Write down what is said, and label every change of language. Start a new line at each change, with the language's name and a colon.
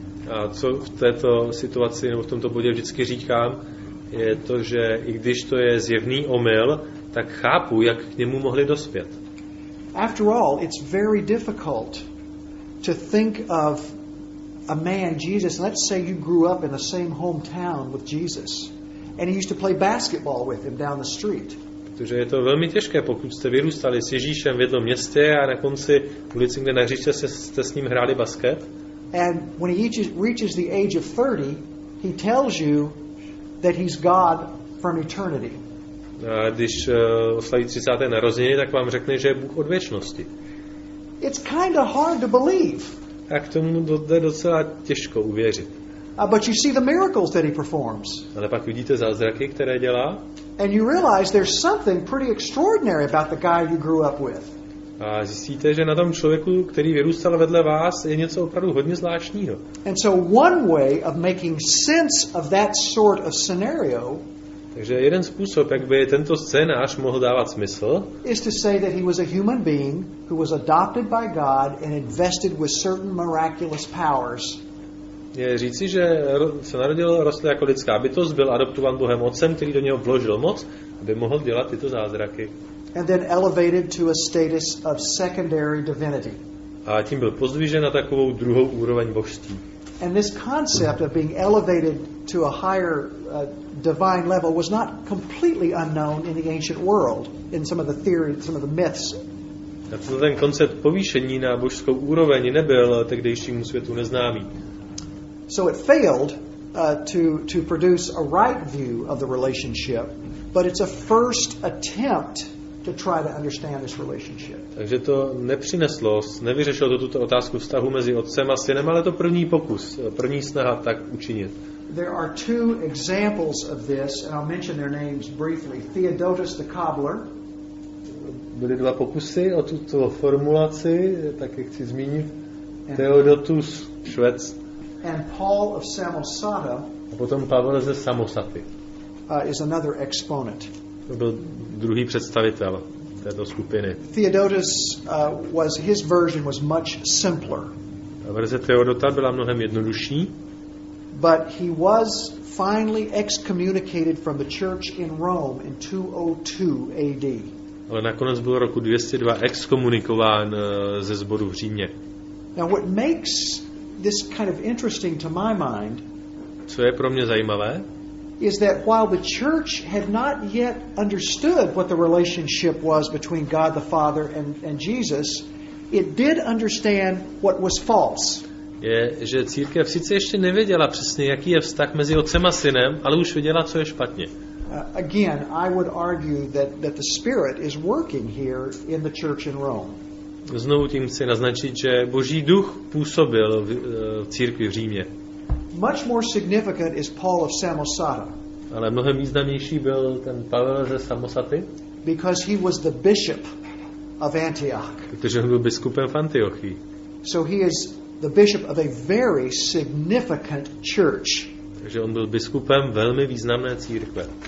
Czech: A co v této situaci nebo v tomto bodě vždycky říkám, je to, že i když to je zjevný omyl, tak chápu, jak k němu mohli dospět.
English: After all, it's very difficult to think of a man Jesus. Let's say you grew up in the same hometown with Jesus and he used to play basketball with him down the street.
Czech: Protože je to velmi těžké, pokud jste vyrůstali s Ježíšem v jednom městě a na konci ulice, kde na hřiště jste s ním hráli basket.
English: And when he reaches the age of 30, he tells you that he's God from eternity.
Czech: A když oslaví 30. narozeniny, tak vám řekne, že je Bůh od věčnosti.
English: It's kind of hard to believe.
Czech: A k tomu jde docela těžko uvěřit.
English: But you see the miracles that he performs.
Czech: Ale pak vidíte zázraky, které dělá.
English: And you realize there's something pretty extraordinary about the guy you grew up with.
Czech: A zjistíte, že na tom člověku, který vyrůstal vedle vás, je něco opravdu hodně zvláštního.
English: And so one way of making sense of that sort of scenario.
Czech: Takže jeden způsob, jak by tento scénář mohl dávat smysl,
English: is to say that he was a human being who was adopted by God and invested with certain miraculous powers.
Czech: Je říci, že se narodil, rostl jako lidská bytost, byl adoptován Bohem Otcem, který do něho vložil moc, aby mohl dělat tyto zázraky.
English: and then elevated to a status of secondary divinity.
Czech: A tím byl pozdvižen na takovou druhou úroveň božství.
English: And this concept of being elevated to a higher divine level was not completely unknown in the ancient world in some of the theories, some of the myths.
Czech: A ten koncept povýšení na božskou úroveň nebyl tehdejšímu světu neznámý.
English: So it failed to produce a right view of the relationship, but it's a first attempt to try to understand this relationship.
Czech: Takže to nepřineslo, nevyřešilo to tuto otázku vztahu mezi otcem a synem, ale to první pokus, první snaha tak učinit.
English: There are two examples of this, and I'll mention their names briefly. Theodotus the cobbler.
Czech: Byly dva pokusy o tuto formulaci, tak jak chci zmínit. Theodotus Švec.
English: And Paul of Samosata.
Czech: A potom Pavel ze Samosaty.
English: Is another exponent.
Czech: To byl druhý představitel této skupiny.
English: Theodotus was his version was much simpler.
Czech: Ta verze Theodota byla mnohem jednodušší.
English: But he was finally excommunicated from the church in Rome in 202 AD.
Czech: Ale nakonec byl roku 202 exkomunikován ze sboru v Římě.
English: Now what makes this kind of interesting to my mind?
Czech: Co je pro mě zajímavé?
English: Is that while the church had not yet understood what the relationship was between God the Father and Jesus, it did understand what was false.
Czech: Je, že církev sice ještě nevěděla přesně, jaký je vztah mezi otcem a synem, ale už věděla, co je špatně.
English: Again, I would argue that the Spirit is working here in the church in Rome.
Czech: Znovu tím chci naznačit, že Boží duch působil v církvi v Římě.
English: Much more significant is Paul of Samosata.
Czech: Ale mnohem významnější byl ten Pavel ze Samosaty.
English: Because he was the bishop of Antioch.
Czech: Protože on byl biskupem v Antiochii.
English: So he is the bishop of a very significant church.
Czech: Takže on byl biskupem velmi významné církve.